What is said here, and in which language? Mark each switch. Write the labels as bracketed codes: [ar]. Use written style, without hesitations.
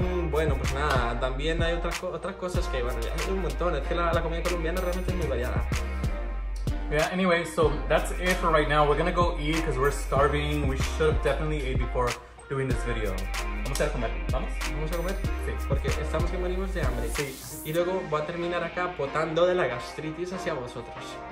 [es] Bueno, pues nada, también hay otras cosas que, bueno, ya hay un montón, es que la comida colombiana realmente es muy variada. [en] Yeah, anyway, so that's it for right now. We're gonna go eat because we're starving. We should have definitely ate before doing this video. [es] Vamos a comer, ¿vamos? ¿Vamos a comer? Sí. Porque estamos que morimos de hambre. Sí. Y luego voy a terminar acá potando de la gastritis hacia vosotros.